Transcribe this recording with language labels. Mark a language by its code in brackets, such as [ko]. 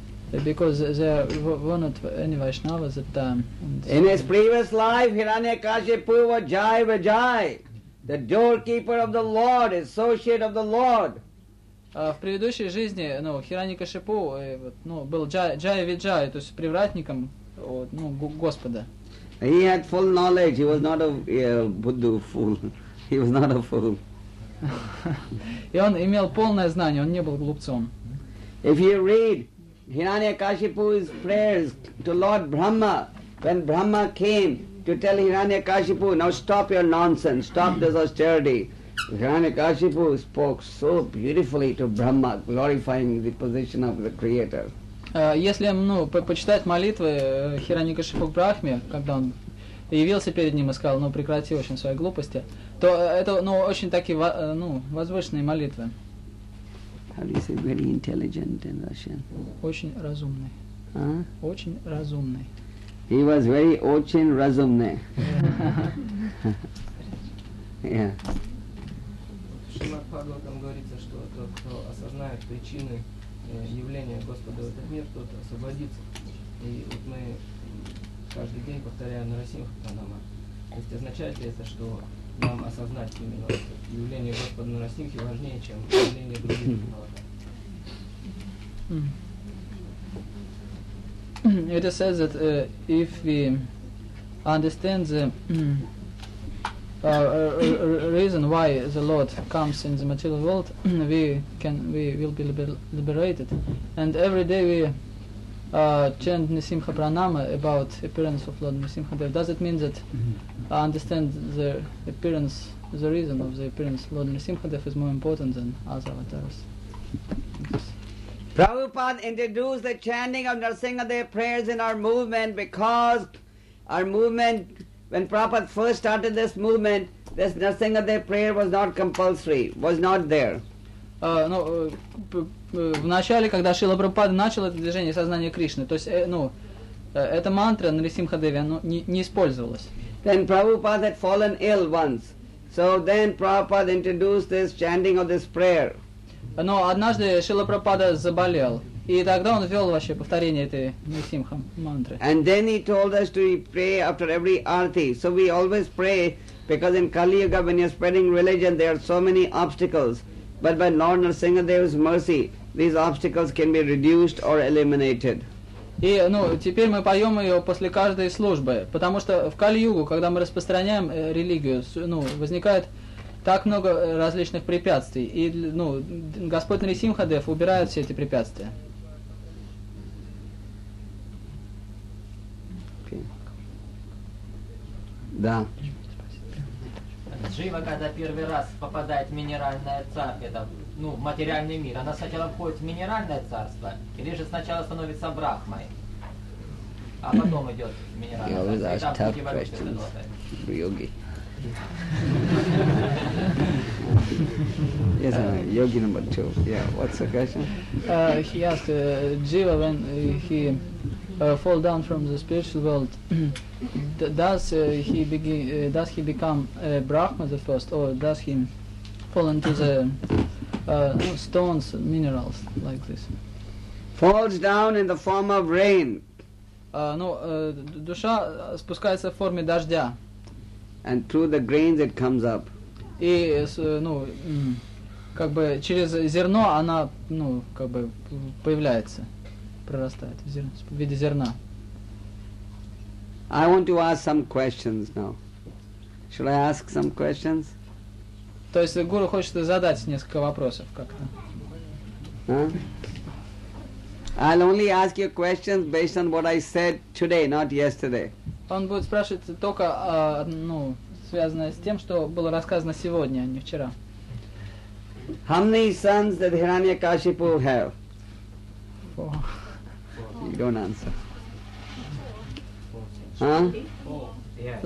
[en] Because there were not any Vaishnavas at the time. In his previous life, Хираньякашипу was Jai Vajai, the doorkeeper of the Lord, associate of the Lord. [ru] В предыдущей жизни, ну, Хираньякашипу, вот, ну, был Джая Виджай, то есть привратником, вот, ну, Господа. [en] He had full knowledge, he was not a Buddha fool, he was not a fool. [ru] И он имел полное знание, он не был глупцом. [en] If you read Hiranyakashipu's prayers to Lord Brahma, when Brahma came to tell Hiranyakashipu, now stop your nonsense, stop this austerity. Hiranyakashipu spoke so beautifully to Brahma, glorifying the position of the Creator. [ru] Если ну, почитать молитвы Хираньякашипу к Брахме, когда он явился перед ним и сказал, ну прекрати очень свои глупости, то это ну, очень такие ну, возвышенные молитвы. [en] How do you say very intelligent in Russian? [ru] Очень разумный. [en] Huh? [ru] Очень разумный. [en] He was very [ru] очень разумный. [en] Yeah. Yeah. [ru] В Шримад Бхагаватам говорится, что тот, кто осознает причины явления Господа в этот мир, тот освободится. И вот мы каждый день повторяем Нарасимха Пранама. То есть означает ли это, что нам осознать именно явление Господа Нарасимхи важнее, чем явление других Бхагаватам? [en] It says that if we understand the reason why the Lord comes in the material world, we will be liberated. And every day we chant Nisimha Pranama about appearance of Lord Nisimha Dev. Does it mean that I understand the appearance, the reason of the appearance of Lord Nisimha Dev is more important than other avatars? Prabhupada introduced the chanting of Narasimha Dev prayers in our movement because our movement, when Prabhupada first started this movement, this Narasimha Dev prayer was not compulsory, was not there. [ru] В начале, когда Шрила Прабхупада начал это движение сознания Кришны, то есть, ну, эта мантра Нарасимха Деви, она не использовалась. [en] Then Prabhupada had fallen ill once. So then Prabhupada introduced this chanting of this prayer. [ru] Но однажды Шрила Прабхупада заболел. И тогда он ввел вообще повторение этой Нарасимха мантры. [en] And then he told us to pray after every arati. So we always pray, because in Kali Yuga, when you're spreading religion, there are so many obstacles. But by Lord Narasimha Dev's mercy, these obstacles can be reduced or eliminated. [ru] И, ну, теперь мы поем ее после каждой службы. Потому что в Кали-Югу, когда мы распространяем религию, ну, возникает так много различных препятствий. И, ну, Господь Нарасимха Дев убирает все эти препятствия. [en] Okay. [ru] Да. Джива, когда первый раз попадает в минеральное царство, это, ну, в материальный мир, она сначала входит в минеральное царство, или же сначала становится брахмой, а потом идет в минеральное царство, и там пути эволюции работают. Йоги. [en] Yes, yogi number two. Yeah, what's the question? He asked Jiva when he fall down from the spiritual world. does he become Brahma the first, or does he fall into the stones, minerals like this? Falls down in the form of rain. [ru] Душа спускается в форме дождя. [en] And through the grains it comes up. [ru] И, ну, как бы через зерно она, ну, как бы появляется, прорастает в виде зерна. [en] I want to ask some questions now. Should I ask some questions? [ru] То есть гуру хочет задать несколько вопросов как-то. [en] Huh? I'll only ask you questions based on what I said today, not yesterday. [ru] Он будет спрашивать только, ну, связанное с тем, что было рассказано сегодня, а не вчера. [en] How many sons did Hiranyakashipu have? Four. You don't answer. Four. Huh?